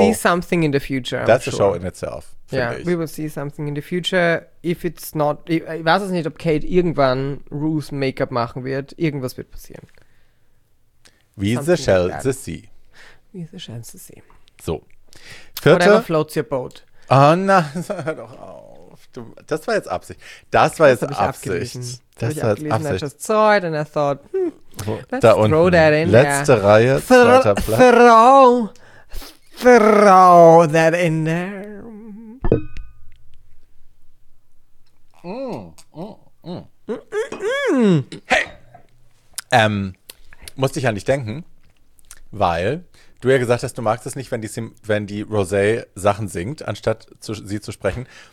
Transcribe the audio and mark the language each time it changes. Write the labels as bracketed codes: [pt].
[en] See something in the future. That's sure. A show in itself. Ja, yeah, we will see something in the future. If it's not, [de] ich weiß es nicht, ob Kate irgendwann Ru's Make-up machen wird. Irgendwas wird passieren. [en] We something shall like see. We shall see. [de] So. Vierte. [en] Whatever floats your boat. [de] Oh nein, hör doch auf. Das war jetzt Absicht. Das war jetzt Absicht. Das war jetzt Absicht. [en] I just saw it and I thought, let's throw that in there. [de] Letzte Reihe, zweiter Platz. [en] Throw that in there. Hey! [de] Musste ich an dich denken, weil du ja gesagt hast, du magst es nicht, wenn die Rosé Sachen singt, anstatt sie zu sprechen.